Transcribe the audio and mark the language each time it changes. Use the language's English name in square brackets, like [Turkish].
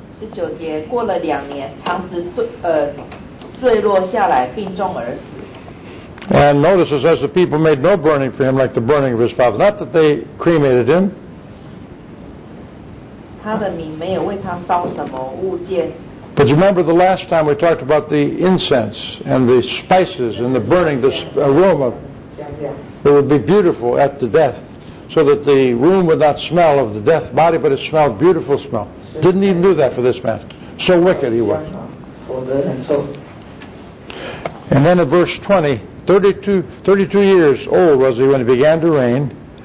[Chinese] 19节，过了两年，肠子坠落下来，病重而死。 [English] And notice it says the people made no burning for him like the burning of his father. Not that they cremated him. [Chinese] 他的名没有为他烧什么物件。 [English] But you remember the last time we talked about the incense and the spices and the burning, the aroma. It would be beautiful at the death, so that the room would not smell of the death body, but it smelled beautiful smell. Didn't even do that for this man. So wicked he was. And then in verse 20, 32 years old was he when he began to reign.